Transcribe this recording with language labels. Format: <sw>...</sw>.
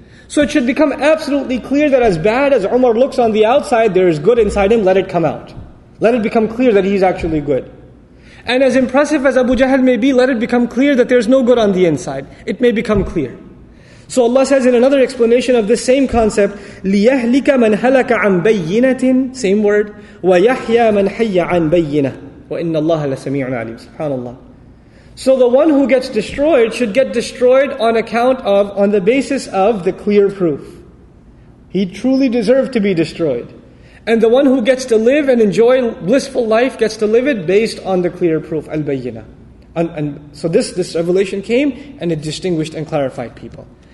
<en>So it should become absolutely clear that as bad as Umar looks on the outside, there is good inside him, let it come out. Let it become clear that he's actually good. And as impressive as Abu Jahl may be, let it become clear that there's no good on the inside. It may become clear. So Allah says in another explanation of this same concept,</en> <ar>لِيَهْلِكَ مَنْ هَلَكَ عَنْ بَيِّنَةٍ</ar> <en>Same word.</en> <ar>وَيَحْيَى مَنْ حَيَّ عَنْ بَيِّنَةٍ وَإِنَّ اللَّهَ لَسَمِيعٌ عَلِيمٌ SubhanAllah.</ar> <en>So the one who gets destroyed should get destroyed on account of, on the basis of the clear proof. He truly deserved to be destroyed. And the one who gets to live and enjoy blissful life gets to live it based on the clear proof, al-bayyinah. And so this revelation came and it distinguished and clarified people.</en>